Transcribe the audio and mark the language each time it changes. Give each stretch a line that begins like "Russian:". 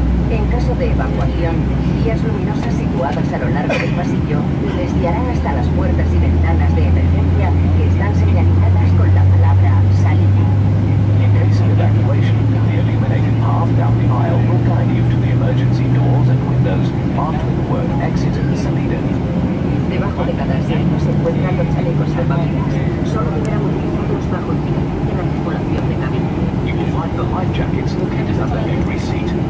Spanish: En caso de evacuación, vías luminosas situadas a lo largo del pasillo les guiarán hasta las puertas y ventanas de emergencia que están señalizadas con la palabra salida.
English: In case of evacuation, the illuminated path down the aisle will guide you to the emergency doors and windows marked with the word exit and salida.
Spanish: Debajo de cada asiento se encuentran los chalecos salvavidas. Solo deberán utilizarlos bajo indicación de la tripulación de cabina.
English: You will find the life jackets located under every seat.